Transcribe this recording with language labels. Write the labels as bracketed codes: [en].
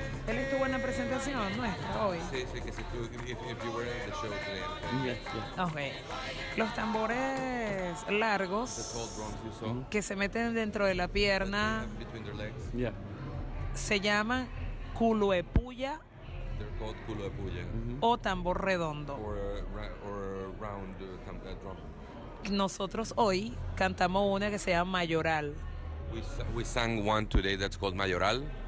[es] Él estuvo en la presentación nuestra hoy. Sí, que si tú, [en] if you were in the show today. [es] Okay. Los tambores largos que se meten dentro de la pierna. [en] Between their legs. Yeah. [es] Se llaman culuepuya. [en] They're called culuepuya. [es] Mm-hmm. O tambor redondo. [en] Or round drum. [es] Nosotros hoy cantamos una que se llama mayoral. [en] We sang one today that's called mayoral.